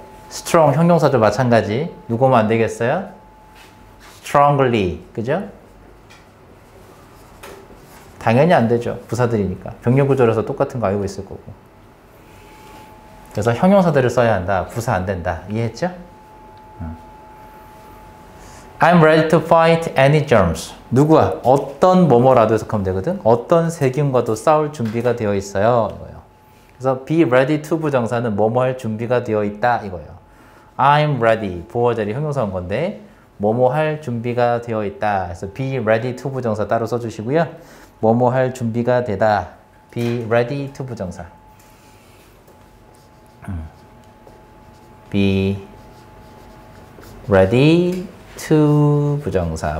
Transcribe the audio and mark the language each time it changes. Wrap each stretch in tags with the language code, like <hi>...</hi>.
<ko>strong 형용사도 마찬가지. 누구 오면 안 되겠어요?</ko> <en>strongly, 그죠?</en> <ko>당연히 안 되죠. 부사들이니까. 병렬구조라서 똑같은 거 알고 있을 거고. 그래서 형용사들을 써야 한다. 부사 안 된다. 이해했죠?</ko> <en>I'm ready to fight any germs.</en> <ko>누구와? 어떤 뭐뭐라도 해석하면 되거든? 어떤 세균과도 싸울 준비가 되어 있어요. 이거요. 그래서</ko> <en>be ready to</en> <ko>부정사는 뭐뭐할 준비가 되어 있다. 이거요.</ko> <en>I'm ready.</en> <ko>보호자리 형용사인 건데 뭐뭐할 준비가 되어 있다. 그래서</ko> <en>be ready to</en> <ko>부정사 따로 써주시고요. 뭐뭐할 준비가 되다.</ko> <en>be ready to 부정사. be ready to 부정사.</en>